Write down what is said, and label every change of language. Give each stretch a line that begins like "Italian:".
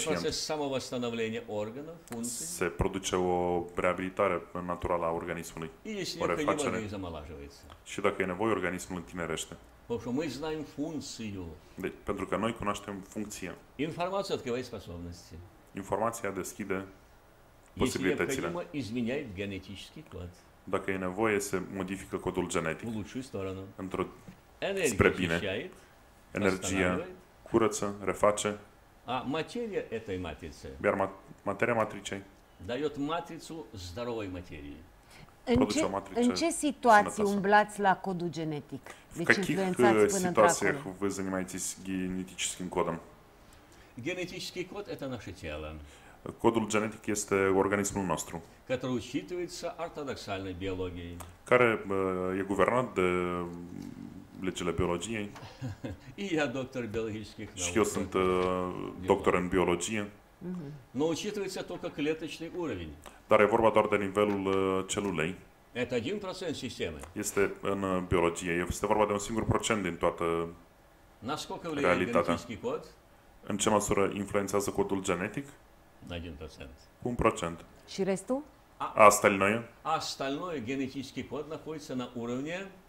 Russian: Идет процесс самовосстановления органов, функций.
Romanian: Se produce o reabilitare naturală a organismului. O refacere.
Russian: Замолаживается.
Romanian: Și dacă e nevoie, organismul întinerește.
Russian: Потому что мы знаем функцию.
Romanian: Deci, pentru că noi cunoaștem funcția.
Russian: Информация открывает способности.
Romanian: Информация deschide posibilitățile.
Russian: Если необходимо, изменяет генетический код.
Romanian: Dacă e nevoie, se modifică codul genetic.
Russian: В лучшую сторону.
Romanian: Într-o spre bine. Energia curăță, reface.
Russian: А материя этой матрицы.
Romanian: Iar materia matricei.
Russian: Дает матрицу здоровой материи.
Romanian: În ce situații umblați la codul genetic? Deci influențați până într-acolo.
Russian: Genetический код – это наше тело.
Romanian: Codul genetic este organismul nostru.
Russian: Который учитывается ортодоксальной биологией.
Romanian: Care e guvernat de legile biologiei.
Russian: И я доктор биологических наук.
Romanian: Și eu sunt doctor în biologie.
Russian: Но учитывается только клеточный уровень.
Romanian: Dar e vorba doar de nivelul celulei.
Russian: Это 1% системы.
Romanian: Este în biologie. Este vorba de un singur procent din toată
Russian: насколько влияет генетический код?
Romanian: În ce măsură influențează codul genetic?
Russian: На 1%.
Romanian: 1%. Și restul?
Russian: А остальное? Остальное генетический код находится на уровне